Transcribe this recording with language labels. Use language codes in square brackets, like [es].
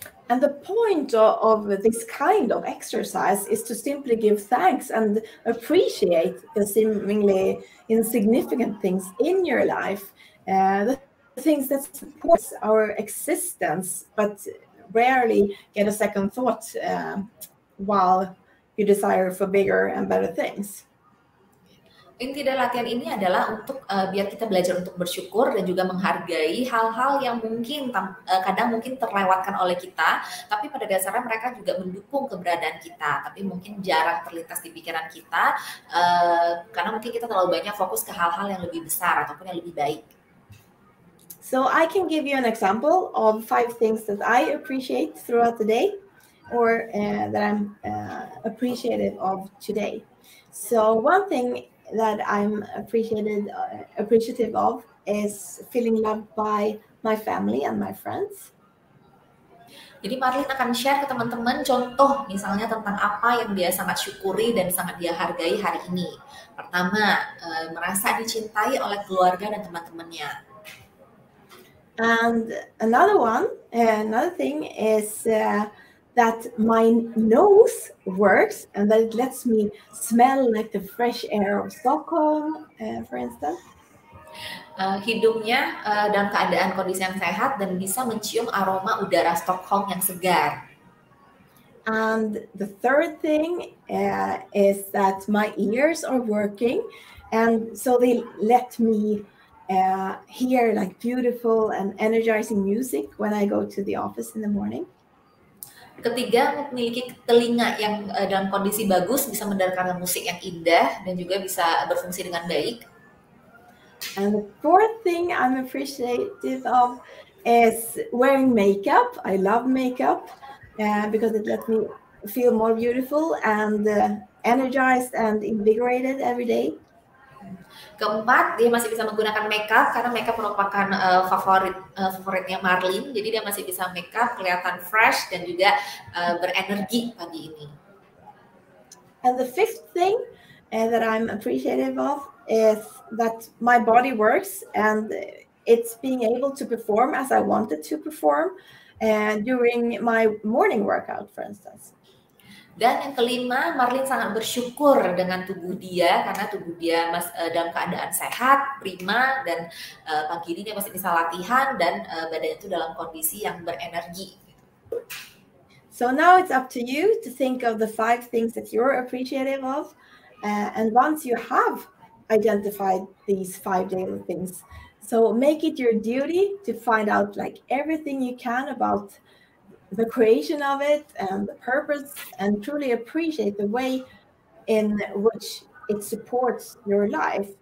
[en] And the point of this kind of exercise is to simply give thanks and appreciate the seemingly insignificant things in your life, the things that support our existence, but rarely get a second thought while you desire for bigger and better things. [id] Inti dari latihan ini adalah untuk biar kita belajar untuk bersyukur dan juga menghargai hal-hal yang mungkin kadang mungkin terlewatkan oleh kita, tapi pada dasarnya mereka juga mendukung keberadaan kita, tapi mungkin jarang terlintas di pikiran kita karena mungkin kita terlalu banyak fokus ke hal-hal yang lebih besar ataupun yang lebih baik. [en] So I can give you an example of five things that I appreciate throughout the day or that I'm appreciative of today. So one thing that I'm appreciative of is feeling loved by my family and my friends. [id] Jadi Marlin akan share ke teman-teman contoh misalnya tentang apa yang dia sangat syukuri dan sangat dia hargai hari ini. Pertama, merasa dicintai oleh keluarga dan teman-temannya. [en] And another one, another thing is that my nose works and that it lets me smell like the fresh air of Stockholm, for instance. [id] Hidungnya dalam keadaan kondisi yang sehat dan bisa mencium aroma udara Stockholm yang segar. [en] And the third thing is that my ears are working and so they let me hear like beautiful and energizing music when I go to the office in the morning. [id] Ketiga, memiliki telinga yang dalam kondisi bagus, bisa mendengarkan musik yang indah, dan juga bisa berfungsi dengan baik. [en] And the fourth thing I'm appreciative of is wearing makeup. I love makeup because it lets me feel more beautiful and energized and invigorated every day. [id] Keempat, dia masih bisa menggunakan makeup karena makeup merupakan favoritnya Marlin. Jadi dia masih bisa makeup, kelihatan fresh dan juga berenergi pagi ini. [en] And the fifth thing that I'm appreciative of is that my body works and it's being able to perform as I wanted to perform during my morning workout, for instance. [id] Dan yang kelima, Marlin sangat bersyukur dengan tubuh dia karena tubuh dia dalam keadaan sehat, prima, dan pagi ini dia masih bisa latihan dan badannya itu dalam kondisi yang berenergi. [en] So now it's up to you to think of the five things that you're appreciative of. And once you have identified these five daily things, so make it your duty to find out like everything you can about the creation of it and the purpose and truly appreciate the way in which it supports your life.